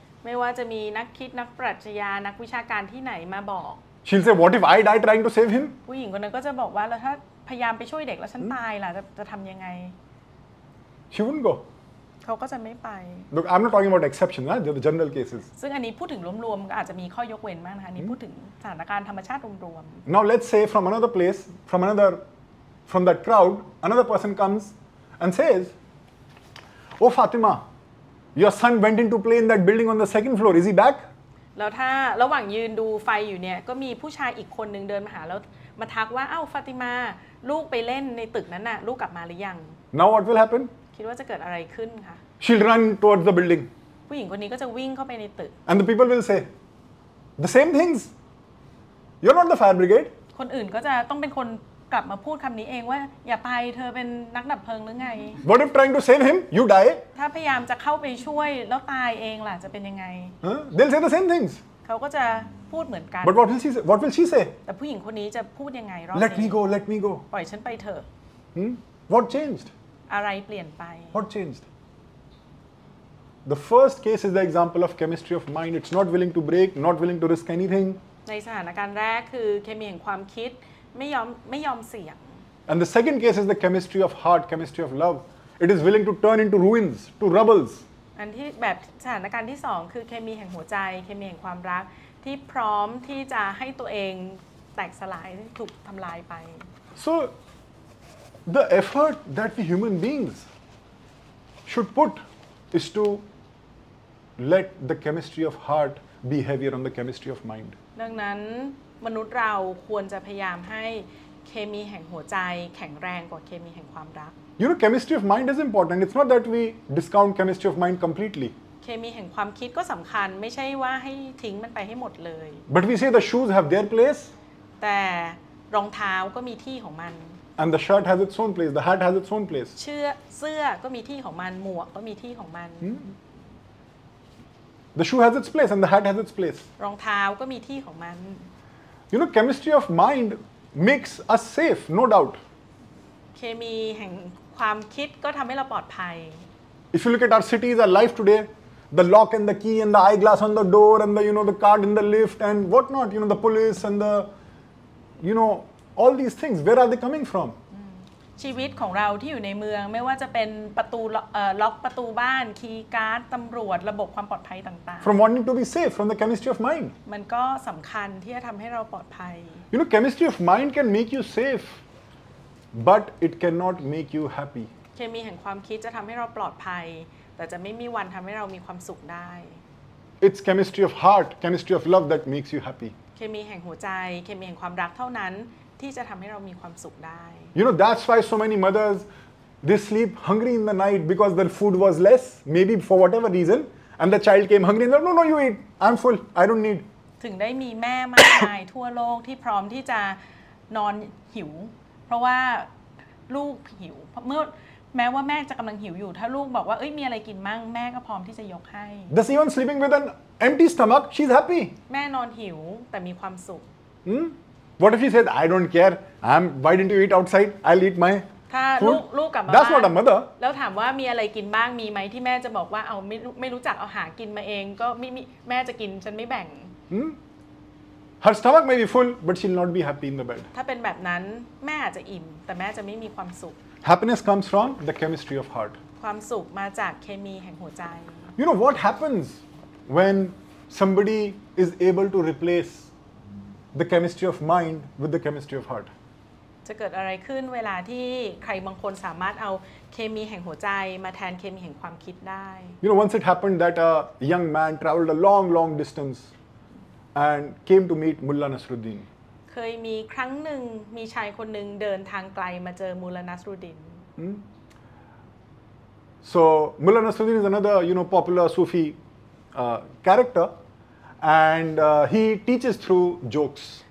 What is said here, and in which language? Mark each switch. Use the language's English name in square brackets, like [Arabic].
[Thai] ไม่ว่าจะมีนักคิดนักปรัชญานักวิชาการที่ไหนมาบอก [English] She'll say what if I die trying to save him [Thai] ผู้หญิงคนนั้นก็จะบอกว่าแล้วถ้าพยายามไปช่วยเด็กแล้วฉันตายล่ะจะทำยังไง [English] She wouldn't go [Thai] เขาก็จะไม่ไป [English] Look I'm not talking about exception [Thai] นะ [English] the general cases [Thai] ซึ่งอันนี้พูดถึงรวมๆก็อาจจะมีข้อยกเว้นมากนะคะนี่พูดถึงสถานการณ์ธรรมชาติรวม [English] ๆ Now let's say from another place from that crowd another person comes and says Oh FatimaYour son went into play in that building on the second floor. Is he back? [Thai] แล้วถ้าระหว่างยืนดูไฟอยู่เนี่ยก็มีผู้ชายอีกคนนึงเดินมาหาแล้วมาทักว่าอ้าวฟาติมาลูกไปเล่นในตึกนั้นน่ะลูกกลับมาหรือยัง [English] Now what will happen? [Thai] คิดว่าจะเกิดอะไรขึ้นคะ [English] She'll run towards the building. [Thai] ผู้หญิงคนนี้ก็จะวิ่งเข้าไปในตึก [English] And the people will say the same things. You're not the fire brigade. [Thai] คนอื่นก็จะต้องเป็นคนกลับมาพูดคำนี้เองว่าอย่าไปเธอเป็นนักดับเพลิงหรือไง [English] What if trying to save him you die [Thai] ถ้าพยายามจะเข้าไปช่วยแล้วตายเองล่ะจะเป็นยังไง [English] They'll say the same things [Thai] เขาก็จะพูดเหมือนกัน [English] But what will she say [Thai] แต่ผู้หญิงคนนี้จะพูดยังไงรอบ [English] Let me go let me go [Thai] ปล่อยฉันไปเถอะ [English] What changed [Thai] อะไรเปลี่ยนไป [English] What changed The first case is the example of chemistry of mind it's not willing to break not willing to risk anything [Thai] ในสถานการณ์แรกคือเคมีแห่งความคิดไม่ยอมเสี่ยง [English] And the second case is the chemistry of heart, chemistry of love. It is willing to turn into ruins, to rubbles. [Thai] อันที่แบบสถานการณ์ที่สองคือเคมีแห่งหัวใจเคมีแห่งความรักที่พร้อมที่จะให้ตัวเองแตกสลายถูกทำลายไป [English] So the effort that we human beings should put is to let the chemistry of heart be heavier on the chemistry of mind. [Thai] ดังนั้นมนุษย์เราควรจะพยายามให้เคมีแห่งหัวใจแข็งแรงกว่าเคมีแห่งความรัก [English] You know chemistry of mind is important it's not that we discount chemistry of mind completely [Thai] เคมีแห่งความคิดก็สำคัญไม่ใช่ว่าให้ทิ้งมันไปให้หมดเลย [English] But we say the shoes have their place [Thai] แต่รองเท้าก็มีที่ของมัน [English] And the shirt has its own place the hat has its own place [Thai] เสื้อก็มีที่ของมันหมวกก็มีที่ของมัน [English] The shoe has its place and the hat has its place [Thai] รองเท้าก็มีที่ของมัน [English] You know, chemistry of mind makes us safe, no doubt. [Thai] Chemistry แห่งความคิดก็ทำให้เราปลอดภัย [English] If you look at our cities, our life today, the lock and the key and the eyeglass on the door and the you know the card in the lift and what not, you know the police and the you know all these things. Where are they coming from? [Thai] ชีวิตของเราที่อยู่ในเมืองไม่ว่าจะเป็นประตูล็อกประตูบ้านคีย์การ์ดตำรวจระบบความปลอดภัยต่างๆ [English] From wanting to be safe from the chemistry of mind [Thai] มันก็สำคัญที่จะทำให้เราปลอดภัย [English] You know chemistry of mind can make you safe but it cannot make you happy [Thai] เคมีแห่งความคิดจะทำให้เราปลอดภัยแต่จะไม่มีวันทำให้เรามีความสุขได้ [English] It's chemistry of heart chemistry of love that makes you happy [Thai] เคมีแห่งหัวใจเคมีแห่งความรักเท่านั้นที่จะทำให้เรามีความสุขได้ [English] You know that's why so many mothers they sleep hungry in the night because their food was less maybe for whatever reason and the child came hungry and said, no you eat I'm full I don't need [Thai] ถึงได้มีแม่มากมายทั่วโลกที่พร้อมที่จะนอนหิวเพราะว่าลูกหิวเมื่อแม้ว่าแม่จะกำลังหิวอยู่ถ้าลูกบอกว่าเอ้ยมีอะไรกินมั่งแม่ก็พร้อมที่จะยกให้ [English] Does even sleeping with an empty stomach she's happy [Thai] แม่นอนหิวแต่มีความสุข [English] What if he says, I don't care. Why didn't you eat outside? I'll eat my food. That's not a mother. [Thai] แล้วถามว่ามีอะไรกินบ้างมีไหมที่แม่จะบอกว่าเอาไม่รู้จักเอาหากินมาเองก็ไม่แม่จะกินฉันไม่แบ่ง [English] Her stomach may be full, but she'll not be happy in the bed. [Thai] ถ้าเป็นแบบนั้นแม่อาจจะอิ่มแต่แม่จะไม่มีความสุข [English] Happiness comes from the chemistry of heart. [Thai] ความสุขมาจากเคมีแห่งหัวใจ [English] You know what happens when somebody is able to replace the chemistry of mind with the chemistry of heart [Thai] จะเกิดอะไรขึ้นเวลาที่ใครบางคนสามารถเอาเคมีแห่งหัวใจมาแทนเคมีแห่งความคิดได้ [English] You know once it happened that a young man traveled a long long distance and came to meet Mullah Nasruddin [Thai] เคยมีครั้งหนึ่งมีชายคนหนึ่งเดินทางไกลมาเจอมุลลานัสรุดดิน [English] So Mullah Nasruddin is another, you know, popular Sufi character, and he teaches through jokes.